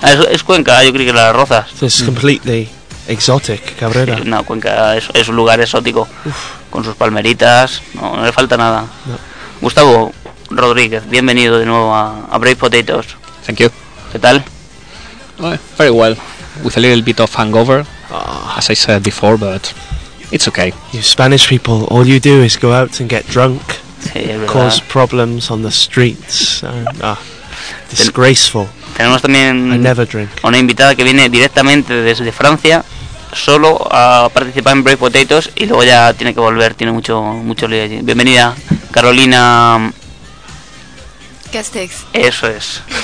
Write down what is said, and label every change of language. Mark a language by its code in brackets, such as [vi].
[es] Es Cuenca, yo creo que Las Rozas. [en] This is completely exotic, Cabrera. [es] Sí, no, Cuenca es un lugar exótico. Uf. Con sus palmeritas, no le falta nada. No. Gustavo Rodríguez, bienvenido de nuevo a Break Potatoes. [en] Thank you. [es] ¿Qué tal? [en] Very well. With a little bit of hangover, as I said before, but it's okay. You Spanish people, all you do is go out and get drunk, cause problems on the streets. Disgraceful. [es] Tenemos también una invitada que viene directamente desde Francia, solo a participar en Break Potatoes y luego ya tiene que volver, tiene mucho lío allí. Bienvenida, Carolina Castex. Eso es.